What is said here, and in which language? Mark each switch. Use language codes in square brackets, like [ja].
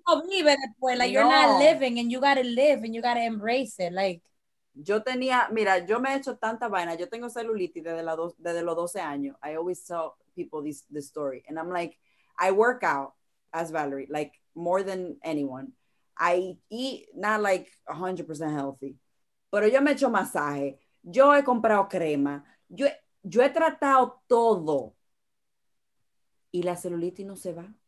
[en] You're not living, and you got to live and you got to embrace it. Like, [es] yo tenía, mira, yo me he hecho tanta vaina. Yo tengo celulitis desde los 12 años. [en] I always tell people this story. And I'm like, I work out as Valerie, like more than anyone. I eat not like 100% healthy, [es] pero yo me he hecho masaje, yo he comprado crema, yo he tratado todo, y la celulitis no se va.